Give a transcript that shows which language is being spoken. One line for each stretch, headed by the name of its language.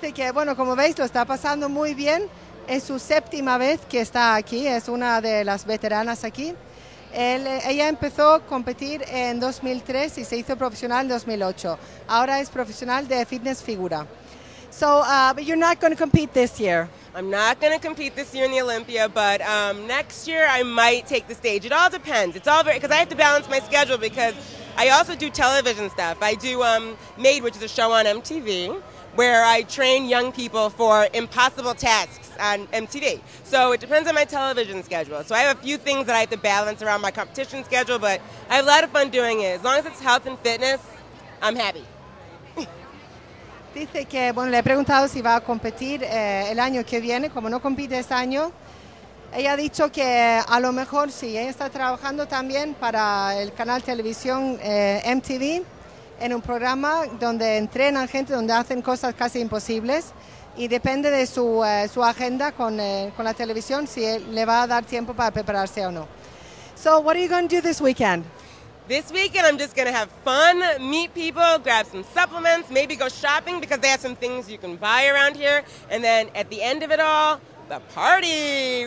Spanish: Dice que, bueno, como veis, lo está pasando muy bien. Es su séptima vez que está aquí. Es una de las veteranas aquí. Ella empezó a competir en 2003 y se hizo profesional en 2008. Ahora es profesional de fitness figura.
English: So, but you're not going to compete this year. I'm not going to compete this year in the Olympia, but next year I might take the stage. It all depends. It's all very, because I have to balance my schedule because I also do television stuff. I do Made, which is a show on MTV, where I train young people for impossible tasks on MTV. So it depends on my television schedule. So I have a few things that I have to balance around my competition schedule, but I have a lot of fun doing it. As long as it's health and fitness, I'm happy.
Spanish: Dice que, bueno, le he preguntado si va a competir el año que viene. Como no compite este año, ella ha dicho que a lo mejor sí. Ella está trabajando también para el canal televisión MTV, en un programa donde entrenan gente, donde hacen cosas casi imposibles, y depende de su agenda con la televisión si le va a dar tiempo para prepararse o no.
English: So what are you going to do this weekend? This weekend I'm just going to have fun, meet people, grab some supplements, maybe go shopping because they have some things you can buy around here, and then at the end of it all, the party.